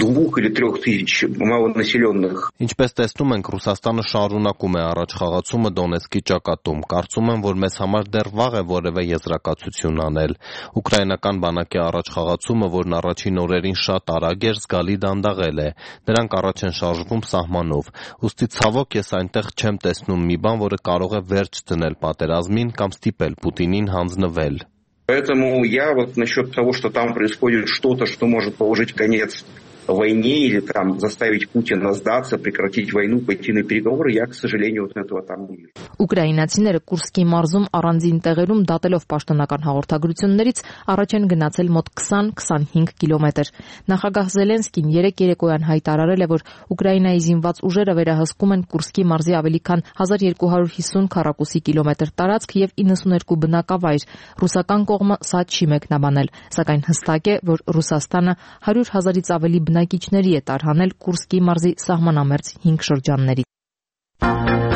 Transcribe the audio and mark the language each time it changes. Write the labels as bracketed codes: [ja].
[hy] Ինչպես տեսնում ենք, Ռուսաստանը շարունակում է առաջ խաղացումը Դոնեցկի ճակատում։ Կարծում եմ, որ մեզ համար դեռ վաղ է որևէ եզրակացություն անել։ Ուկրաինական բանակի առաջ խաղացումը, որն առաջին օրերին շատ արագ էր զգալի դանդաղել է, նրանք առաջ են շարժվում սահմանով։ Ուստի ցավոք ես այնտեղ չեմ տեսնում մի բան, որը կարող է վերջ դնել պատերազմին կամ ստիպել Պուտինին հանձնվել։ [ru] Поэтому я вот насчёт того, что там происходит что-то, что может положить конец войне или там заставить Путина сдаться, прекратить войну, пойти на переговоры, я, к сожалению, вот этого там не вижу. [hy] Ուկրաինացիները Կուրսկի մարզում առանձին տեղերում դատելով պաշտոնական հաղորդագրություններից առաջ են գնացել մոտ 20-25 կիլոմետր։ Նախագահ Զելենսկին 3 երեկոյան հայտարարել է, որ Ուկրաինայի զինված ուժերը վերահսկում են Կուրսկի մարզի ավելի քան 1250 քառակուսի կիլոմետր տարածք եւ 92 բնակավայր։ Ռուսական կողմը սա չի մեկնաբանել, սակայն հստակ է, որ Ռուսաստանը 100 հազարից ավելի բնակիչների է տարհանել Կուրսկի մարզի սահմանամերձ 5 շրջանների։